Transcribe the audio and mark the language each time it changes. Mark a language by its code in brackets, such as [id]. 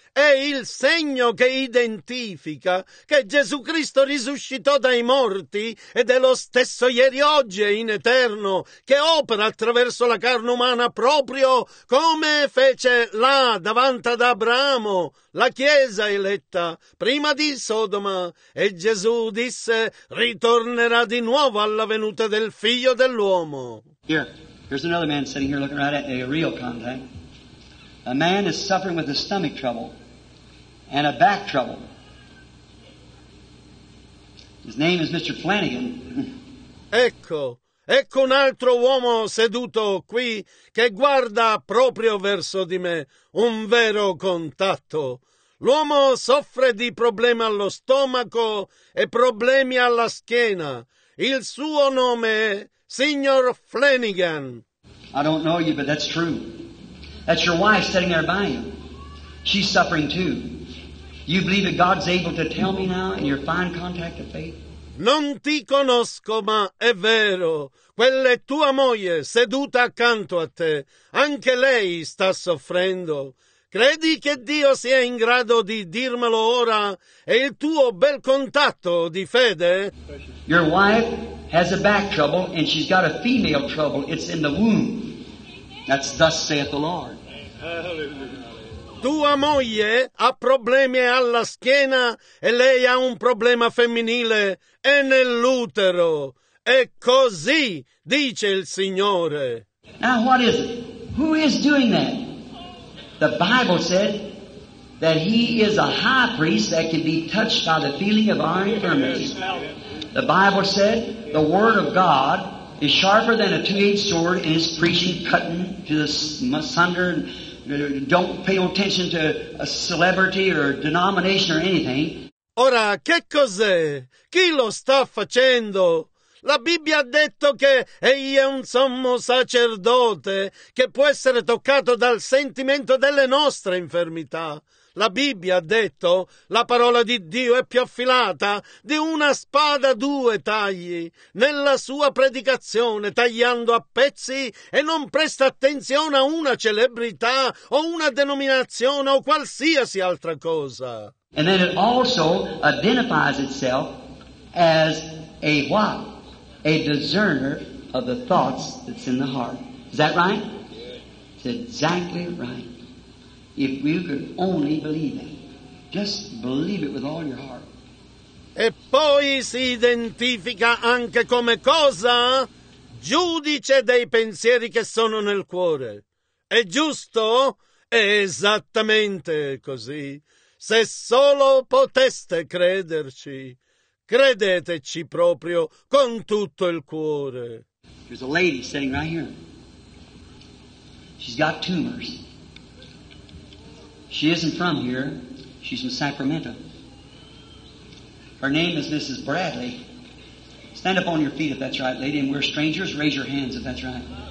[it] È il segno che identifica che Gesù Cristo risuscitò dai morti ed è lo stesso ieri, oggi e in eterno, che opera attraverso la carne umana proprio come fece là davanti ad Abramo, la Chiesa eletta, prima di Sodoma. E Gesù disse, ritornerà di nuovo alla venuta del Figlio dell'Uomo. [en] Here's another man sitting here looking right at a real contact. A man is suffering with a stomach trouble and a back trouble. His name is Mr. Flanagan. [it] Ecco, ecco un altro uomo seduto qui che guarda proprio verso di me. Un vero contatto. L'uomo soffre di problemi allo stomaco e problemi alla schiena. Il suo nome è Signor Flanagan. [en] I don't know you, but that's true. That's your wife sitting there by you. She's suffering too. You believe that God's able to tell me now in your fine contact of faith? [it] Non ti conosco, ma è vero. Quella è tua moglie seduta accanto a te. Anche lei sta soffrendo. Credi che Dio sia in grado di dirmelo ora? È il tuo bel contatto di fede? [en] Your wife has a back trouble and she's got a female trouble. It's in the womb. That's thus saith the Lord. [it] Tua moglie ha problemi alla schiena e lei ha un problema femminile e nell'utero. E così dice il Signore. [en] Now what is it? Who is doing that? The Bible said that he is a high priest that can be touched by the feeling of our infirmities. The Bible said the word of God is sharper than a two-edged sword and is preaching, cutting to the asunder. Don't pay attention to a celebrity or a denomination or anything. [it] Ora, che cos'è? Chi lo sta facendo? La Bibbia ha detto che egli è un sommo sacerdote che può essere toccato dal sentimento delle nostre infermità. La Bibbia ha detto, la parola di Dio è più affilata di una spada a due tagli nella sua predicazione, tagliando a pezzi e non presta attenzione a una celebrità o una denominazione o qualsiasi altra cosa. [en] And then it also identifies itself as a what? A discerner of the thoughts that's in the heart. Is that right? It's exactly right. If we could only believe it, just believe it with all your heart. [it] E poi si identifica anche come cosa? Giudice dei pensieri che sono nel cuore. È giusto? È esattamente così. Se solo poteste crederci, credeteci proprio con tutto il cuore. [en] There's a lady sitting right here. She's got tumors. She isn't from here. She's from Sacramento. Her name is Mrs. Bradley. Stand up on your feet if that's right, lady, and we're strangers. Raise your hands if that's right.